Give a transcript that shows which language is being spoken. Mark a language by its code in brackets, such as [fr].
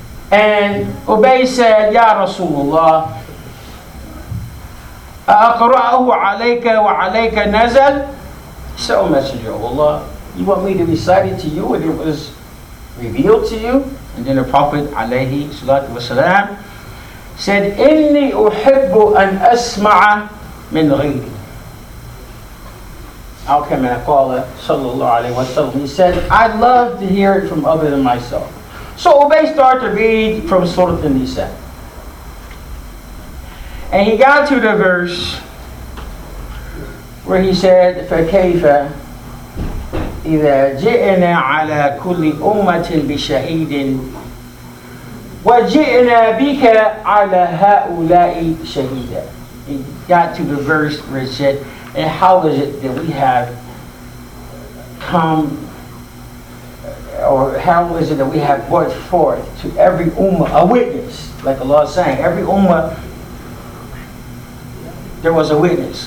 [en] And Ubay said, [ar] Ya Rasulullah, أَقْرَأُهُ عَلَيْكَ وَعَلَيْكَ نَزَلْ. [en] He said, O Messenger of Allah, you want me to recite it to you when it was revealed to you? And then the Prophet [ar] عليه الصلاة والسلام [en] said, [ar] إِنِّي أُحِبُّ أَنْ أَسْمَعَ مِنْ غَيْرِي. Al-Kama Qala sallallahu alayhi wa sallam, [en] he said, I'd love to hear it from other than myself. So Ubay started to read from Surah An-Nisa. And he got to the verse where he said, [ar] فَكَيْفَ إِذَا جِئْنَا عَلَى كُلِّ أُمَّةٍ بِشَهِيدٍ وَجِئْنَا بِكَ عَلَى هَؤُلَاءِ شَهِيدًا. [en] He got to the verse where it said, and how is it that we have come, or how is it that we have brought forth to every ummah a witness, like Allah is saying, every ummah there was a witness.